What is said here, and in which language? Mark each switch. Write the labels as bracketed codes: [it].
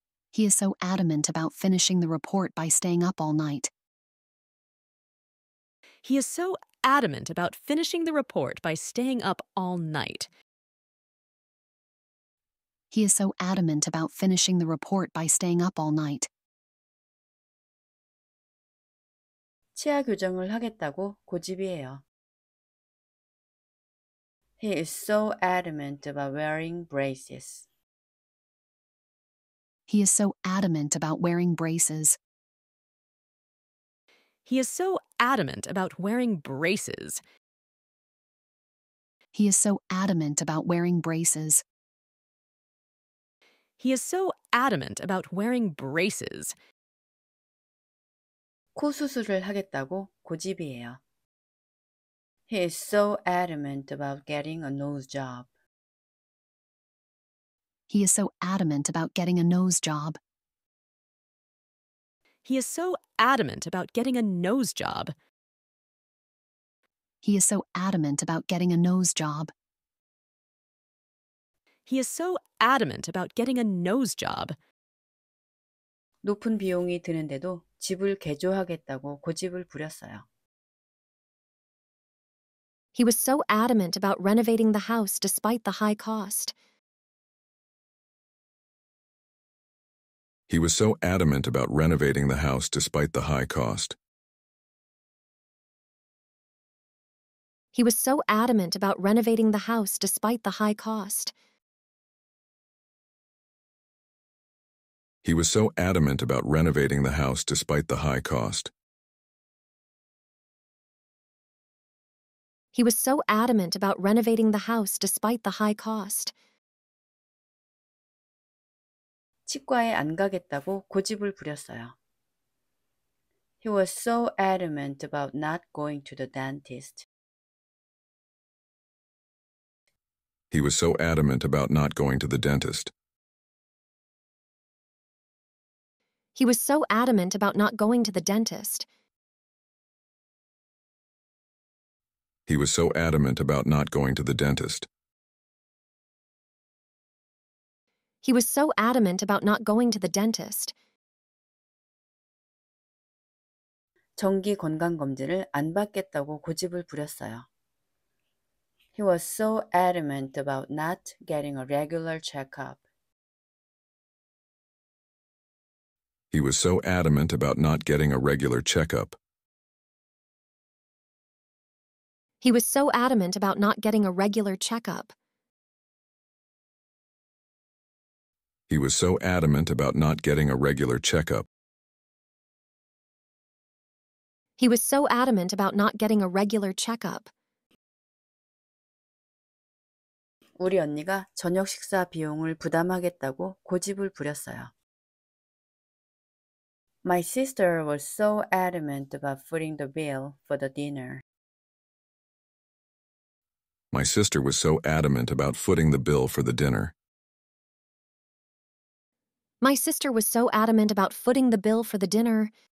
[en] He is so adamant about finishing the report by staying up all night. He is so adamant about finishing the report by staying up all night. He is so adamant about finishing the report by staying up all night. [ko] 치아 교정을 하겠다고 고집이에요. [en] He is so adamant about wearing braces. He is so adamant about wearing braces. He is so adamant about wearing braces. He is so adamant about wearing braces. He is so adamant about wearing braces. [ko] 코 수술을 하겠다고 고집이에요. [en] He is so adamant about getting a nose job. He is so adamant about getting a nose job. He is so adamant about getting a nose job. He is so adamant about getting a nose job. He is so adamant about getting a nose job. [ko] 높은 비용이 드는데도 집을 개조하겠다고 고집을 부렸어요. [en] He was so adamant about renovating the house despite the high cost. He was so adamant about renovating the house despite the high cost. He was so adamant about renovating the house despite the high cost. He was so adamant about renovating the house despite the high cost. He was so adamant about renovating the house despite the high cost. [ko] 치과에 안 가겠다고 고집을 부렸어요. [en] He was so adamant about not going to the dentist. He was so adamant about not going to the dentist. He was so adamant about not going to the dentist. He was so adamant about not going to the dentist. He was so adamant about not going to the dentist. [ko] 정기 건강검진을 안 받겠다고 고집을 부렸어요. [en] He was so adamant about not getting a regular checkup. He was so adamant about not getting a regular checkup. He was so adamant about not getting a regular checkup. He was so adamant about not getting a regular checkup. He was so adamant about not getting a regular checkup. [ko] 우리 언니가 저녁 식사 비용을 부담하겠다고 고집을 부렸어요. [en] My sister was so adamant about footing the bill for the dinner. My sister was so adamant about footing the bill for the dinner. My sister was so adamant about footing the bill for the dinner.